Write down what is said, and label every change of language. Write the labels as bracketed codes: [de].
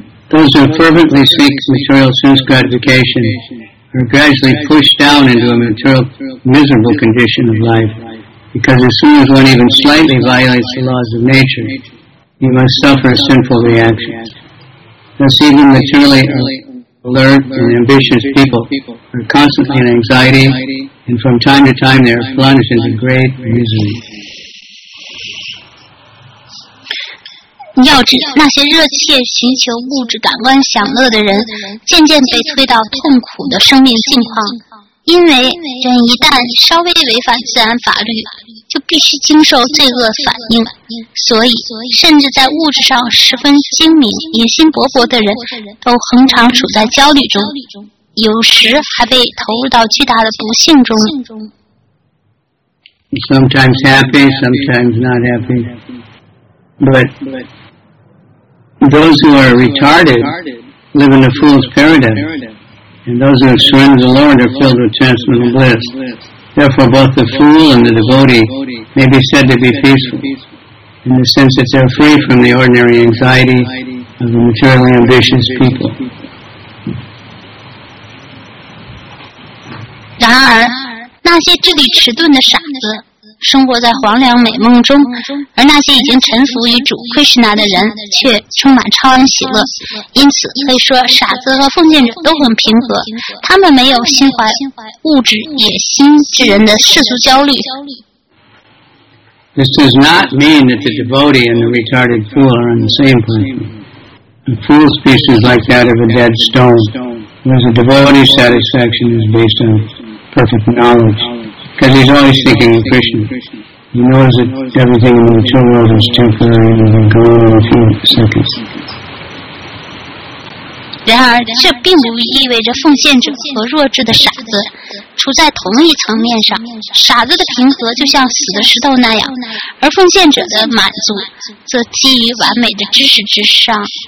[en] Those who fervently seek material sense gratification are gradually pushed down into a material miserable condition of life, because as soon as one even slightly violates the laws of nature, he must suffer a sinful reaction. Thus even materially alert and ambitious people are constantly in anxiety,And from time to time, they are plunged into great misery. [zh] 要知那些热切寻求物质感官享乐的人，渐渐被推到痛苦的生命境况，因为人一旦稍微违反自然法律，就必须经受罪恶反应。所以，甚至在物质上十分精明、野心勃勃的人，都恒常处在焦虑中。有时还被投入到巨大的不幸中。 [en] Sometimes happy, sometimes not happy. But those who are retarded live in a fool's paradise, and those who have surrendered to the Lord are filled with transcendental bliss. Therefore, both the fool and the devotee may be said to be peaceful, in the sense that they are free from the ordinary anxiety of the materially ambitious people. [zh] 然而，那些智力迟钝的傻子生活在黄粱美梦中，而那些已经臣服于主 Krishna 的人却充满超然喜乐。因此，可以说傻子和奉献者都很平和，他们没有心怀物质野心之人的世俗焦虑。 [en] This does not mean that the devotee and the retarded fool are on the same plane. A fool species like that of a dead stone. Whereas a devotee's satisfaction is based on perfect knowledge, because he's always thinking of Krishna. He knows that everything in the material world is temporary and will go away in a few seconds. [zh] 然而，这并不意味着奉献者和弱智的傻子处在同一层面上。傻子的平和就像死的石头那样，而奉献者的满足则基于完美的知识之上。